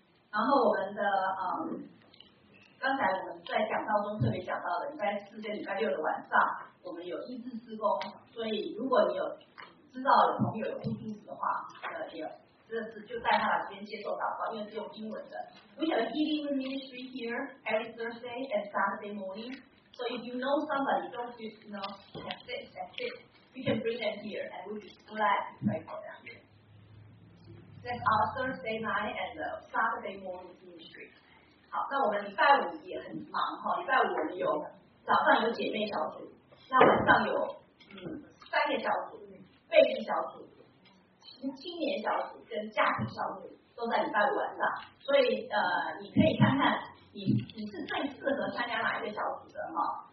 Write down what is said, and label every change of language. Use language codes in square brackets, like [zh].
[zh] 然后我们的刚才我们在讲道中特别讲到的礼拜四跟礼拜六的晚上，我们有医治施工，所以如果你有知道的朋友有护士的话，就带他来这边接受祷告，因为是用英文的。 [en] We have healing ministry here every Thursday and Saturday morning. So if you know somebody, don't you know, that's it. You can bring them here, and we'll be glad to pray for them. That's our Thursday night and the Saturday morning ministry. [zh] 好，那我们礼拜五也很忙哈，礼拜五我们有早上有姐妹小组。那晚上有三个小组，贝利小组、青年小组跟家庭小组都在礼拜五晚上，所以你可以看看你是最适合参加哪一个小组的哈。